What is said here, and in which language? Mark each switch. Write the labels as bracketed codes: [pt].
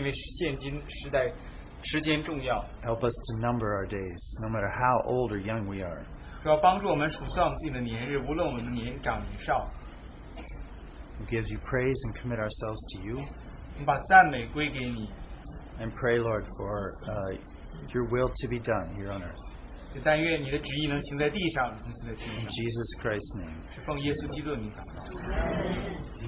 [zh] 就像他对古巴的弟兄姊妹说，你们要赎回你们的光阴，因为现今时代时间重要。 [en] Help us to number our days, no matter how old or young we are. [zh] 主要帮助我们数算自己的年日，无论我们年长年少。 [en] He gives you praise and commit ourselves to you. [zh] 我们把赞美归给你。 [en] And pray, Lord, for your will to be done here on earth. [zh] 但愿你的旨意能行在地上，如同行在天上。 [en] In Jesus Christ's name. [zh] 是奉耶稣基督的名祷告。